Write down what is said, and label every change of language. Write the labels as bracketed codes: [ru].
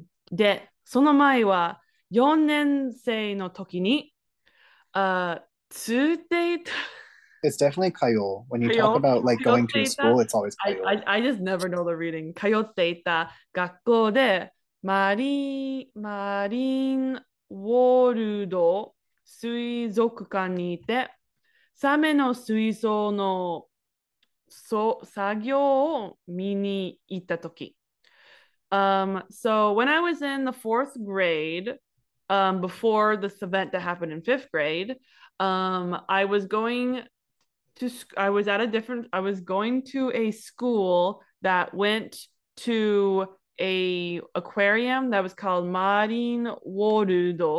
[ja] で、その前は4年生の時に、通っていた。 [en] It's definitely kayo. When you talk about like going to school, it's always kayo. I just never know the reading. [ja] Kayo っていた学校で、マリンウォールド水族館にいて、サメの水槽の作業を見に行ったとき。 [en] So when I was in the fourth grade, before this event that happened in fifth grade, I was going to, I was going to a school that went to a aquarium that was called Marine World.